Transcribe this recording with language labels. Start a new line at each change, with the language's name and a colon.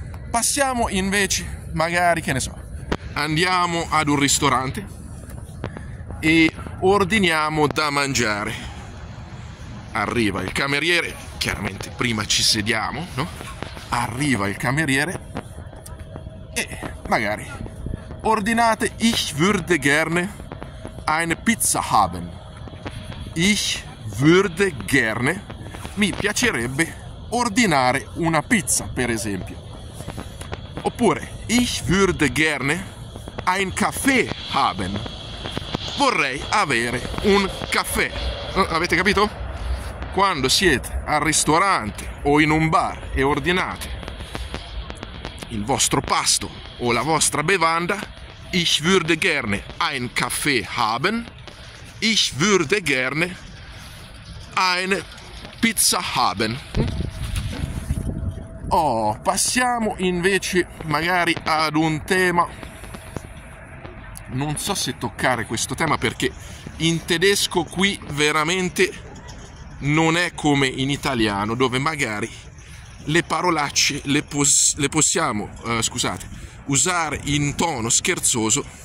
Italian: Passiamo invece, magari, che ne so, andiamo ad un ristorante e ordiniamo da mangiare. Arriva il cameriere, chiaramente prima ci sediamo, no? Arriva il cameriere e magari ordinate
German: ich würde gerne eine Pizza haben. Ich würde gerne,
Italian: mi piacerebbe ordinare una pizza, per esempio. Oppure
German: ich würde gerne ein Kaffee haben.
Italian: Vorrei avere un caffè. Avete capito? Quando siete al ristorante o in un bar e ordinate il vostro pasto o la vostra bevanda,
German: ich würde gerne ein Kaffee haben, ich würde gerne eine Pizza haben.
Italian: Oh, passiamo invece magari ad un tema. Non so se toccare questo tema perché in tedesco qui veramente non è come in italiano, dove magari le parolacce le possiamo usare in tono scherzoso.